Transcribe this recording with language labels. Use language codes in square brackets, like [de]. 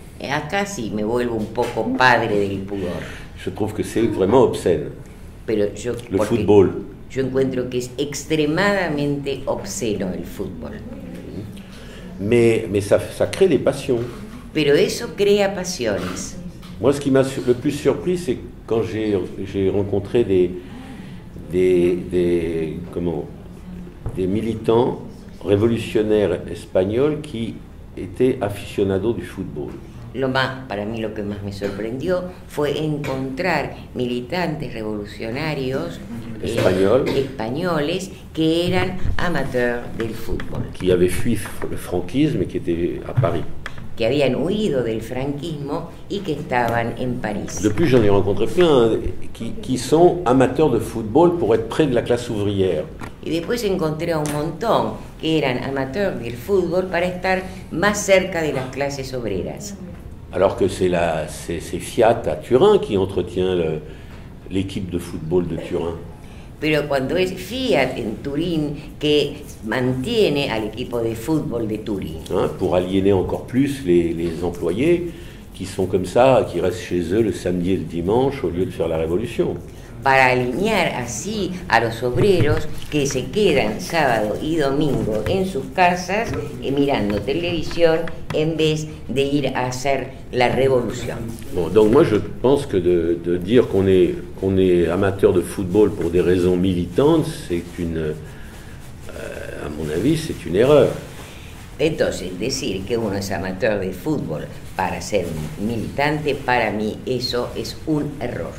[es] Acá sí me vuelvo un poco padre del pudor. [fr] Je trouve que c'est vraiment obscène. [es] Pero yo, [fr] le football. [es] Yo encuentro que es extremadamente obsceno el fútbol. [fr] Mais ça crée des passions. [es] Pero eso crea pasiones. [fr] Moi, ce qui m'a le plus surpris, c'est quand j'ai rencontré des militants révolutionnaires espagnols qui étaient aficionados du football. [es] Lo más, para mí, lo que más me sorprendió fue encontrar militantes revolucionarios españoles que eran amateurs del fútbol. [fr] Qui avaient fui le franquisme et qui étaient à Paris. [es] Que habían huido del franquismo y que estaban en París. [fr] Depuis, j'en ai rencontré plein hein, qui sont amateurs de football pour être près de la classe ouvrière. [es] Y después encontré un montón que eran amateurs del fútbol para estar más cerca de las clases obreras. [fr] Alors que c'est Fiat à Turin qui entretient l'équipe de football de Turin. [es] Pero cuando es Fiat en Turín que mantiene al equipo de fútbol de Turín. [fr] Hein, pour aliéner encore plus les employés qui sont comme ça, qui restent chez eux le samedi et le dimanche au lieu de faire la révolution. [es] Para alinear así a los obreros que se quedan sábado y domingo en sus casas mirando televisión en vez de ir a hacer la revolución. [fr] Bon, donc moi je pense que de dire qu'on est amateur de football pour des raisons militantes, c'est une, à mon avis, c'est une erreur. [es] Entonces, decir que uno es amateur de fútbol para ser militante, para mí eso es un error.